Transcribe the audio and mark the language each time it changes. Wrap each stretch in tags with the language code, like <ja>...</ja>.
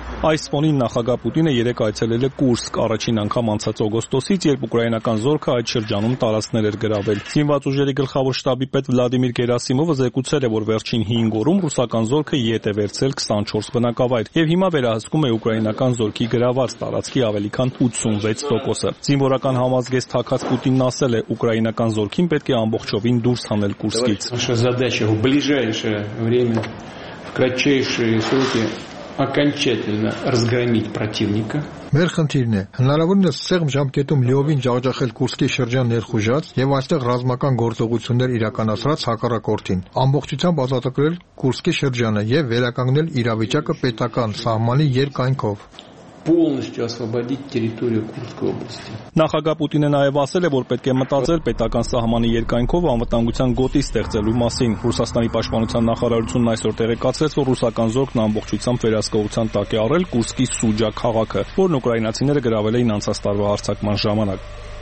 <hy>Այս ֆոնին նախագահ Պուտինը երեկ այցելել է Կուրսկ, առաջին անգամ անցած օգոստոսից, երբ ուկրաինական զորքը այդ շրջանում տարածքներ էր գրավել։ Զինված ուժերի գլխավոր շտաբի պետ Վլադիմիր Գերասիմովը զեկուցել է, որ վերջին 5 օրում ռուսական զորքը ետ է վերցել 24 բնակավայր և հիմա վերահսկում է ուկրաինական զորքի գրաված տարածքի ավելի քան 86%-ը։ Զինվորական համազգես թակած Պուտինն ասել է, ուկրաինական զորքին պետք է ամբողջովին դուրս հանել</hy> <ru>Կուրսկից։ Окончательно разгромить противника.</ru> <hy>Մեր խնդիրն է հնարավորինս ցեղմ ժամկետում լիովին ջարդախել Կուրսկի շրջան ներխուժած եւ այստեղ ռազմական գործողություններ իրականացրած հակառակորդին, ամբողջությամբ ազատագրել Կուրսկի շրջանը եւ վերականգնել իրավիճակը պետական սահմանի երկայնքով։</hy> <ru>Полностью освободить территорию Курской области.</ru> <hy>Նախագահ Պուտինը նաև ասել է, որ պետք է մտածել պետական սահմանի երկայնքով անվտանգության գոտի ստեղծելու մասին։ Ռուսաստանի պաշտպանության նախարարությունն այսօր տեղեկացրեց, որ ռուսական զորքն ամբողջությամբ վերահսկողության տակ է առել Կուրսկի Սուջա քաղաքը, որն ուկրաինացիները գրավել էին անցած տարվա հարձակման ժամանակ։</hy>